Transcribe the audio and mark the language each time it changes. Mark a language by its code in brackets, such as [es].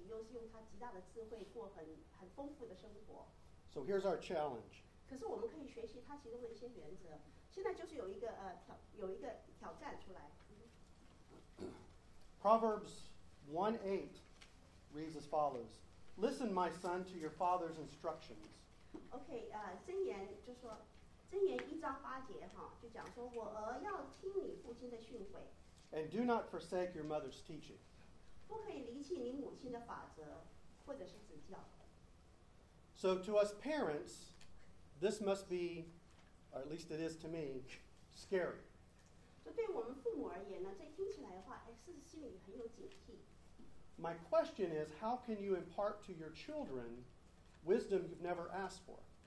[zh] 你知道吗？当我们过我们的一生，不可能像所罗门这样子又大手笔，又是用他极大的智慧过很丰富的生活。 [en] So here's our challenge. [zh] 可是我们可以学习他其中的一些原则。现在就是有一个挑战出来。 [en] Proverbs 1:8 reads as follows: Listen, my son, to your father's instructions. [zh] Okay, 箴言1:8节就讲说，我儿要听你父亲的训诲。And [en] do not forsake your mother's teaching. [zh] 不可以离弃你母亲的法则，或者是指教。So [en] to us parents, this must be, or at least it is to me, scary. [zh] 就对我们父母而言呢，这听起来的话，哎，是心里很有警惕。My [en] question is, how can you impart to your children wisdom you've never asked for?